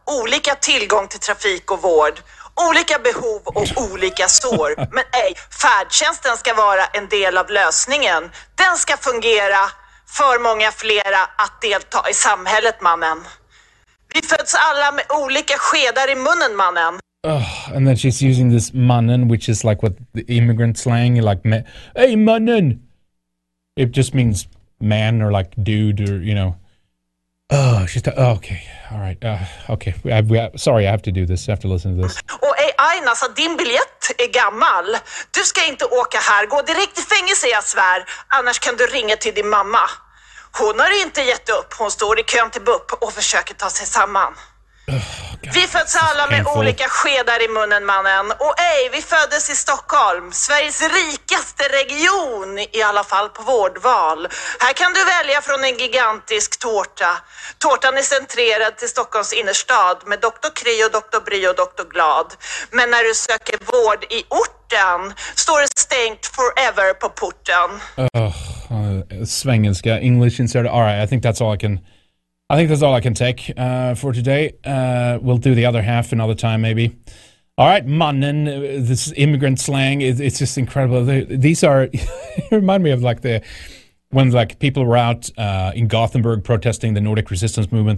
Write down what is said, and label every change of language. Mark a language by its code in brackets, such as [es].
[sv] Olika tillgång till trafik och vård. Olika behov och olika sår. Men ej, färdtjänsten ska vara en del av lösningen. Den ska fungera för många flera att delta i samhället, mannen. Vi föds alla med olika skedar i munnen, mannen. [en] Oh, and then she's using this mannen, which is like what the immigrant slang, like, [sv] hey, mannen. [en] It just means man or like dude or, you know. Oh, she's okay. All right. Okay. Sorry, I have to do this. I have to listen to this. [sv] Och ej, Aina, så din biljett är gammal. Du ska inte åka här. Gå direkt i fängelse, jag svär. Annars kan du ringa till din mamma. Hon har inte gett upp. Hon står i kön till BUP och försöker ta sig samman. [en] God, [sv] vi föds alla med olika skedar i munnen, mannen. Och ej, vi föddes i Stockholm, Sveriges rikaste region, i alla fall på vårdval. Här kan du välja från en gigantisk tårta. Tårtan är centrerad till Stockholms innerstad med Dr. Kri och Dr. Bry och Dr. Glad. Men när du söker vård i orten står det stängt [en] forever [sv] på porten. [en] Svengelska, English insert. All right, I think that's all I can take for today. We'll do the other half another time, maybe. All right, mannen, this immigrant slang, it's just incredible. These are, remind me of like the, when like people were out in Gothenburg protesting the Nordic resistance movement.